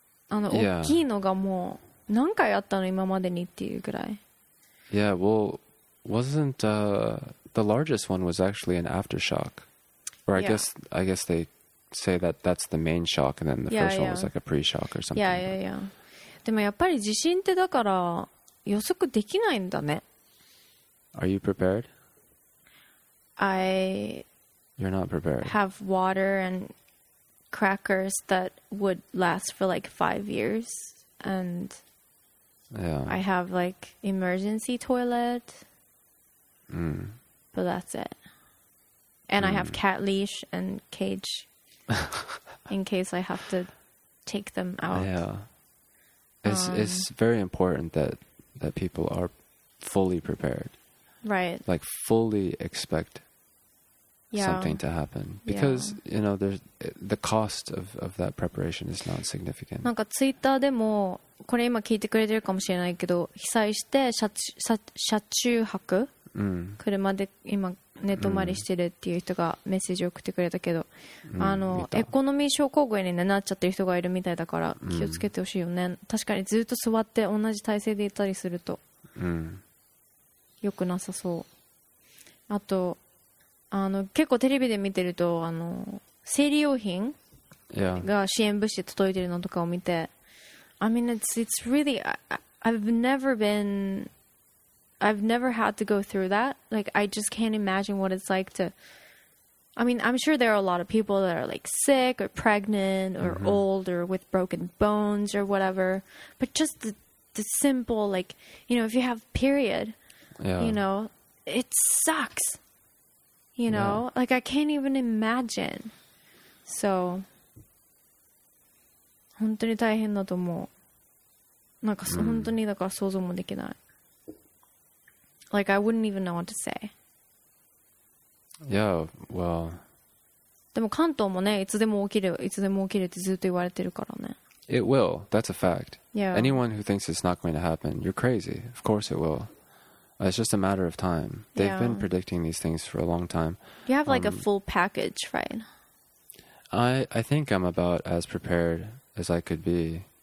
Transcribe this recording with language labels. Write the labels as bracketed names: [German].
[Japanese] Ano okkii no ga mou nankai atta no imamade ni tte iu kurai. [English] Yeah, well, wasn't the largest one was actually an aftershock. Or I guess they say that that's the main shock, and then the first one was like a pre-shock or something. Yeah. [Japanese] でもやっぱり地震ってだから予測できないんだね。 [English] Are you prepared? You're not prepared. Have water and crackers that would last for like 5 years, and yeah. I have like emergency toilet. Mm. But that's it. And I have cat leash and cage. In case I have to take them out. Yeah. It's very important that people are fully prepared. Right. Like fully expect something to happen. Because, you know, the cost of that preparation is not significant. [Japanese] なんかツイッターでもこれ今聞いてくれてるかもしれないけど、被災して車中泊、車で今寝泊まりしてるっていう人がメッセージを送ってくれたけど、エコノミー症候群になっちゃってる人がいるみたいだから気をつけてほしいよね。確かにずっと座って同じ体勢でいたりすると良くなさそう。あと結構テレビで見てると生理用品が支援物資届いてるのとかを見て、 [English] yeah. I mean it's really I've never had to go through that. Like, I just can't imagine what it's like to... I mean, I'm sure there are a lot of people that are, like, sick or pregnant or old or with broken bones or whatever. But just the simple, like, you know, if you have period, you know, it sucks. You know? Yeah. Like, I can't even imagine. So... [Japanese] 本当に大変だと思う。なんか、本当にだから想像もできない。 [English] Like, I wouldn't even know what to say. Yeah, well... [Japanese] でも関東もね、いつでも起きる、いつでも起きるってずっと言われてるからね。 [English] It will. That's a fact. Yeah. Anyone who thinks it's not going to happen, you're crazy. Of course it will. It's just a matter of time. They've been predicting these things for a long time. You have like a full package, right? I think I'm about as prepared as I could be.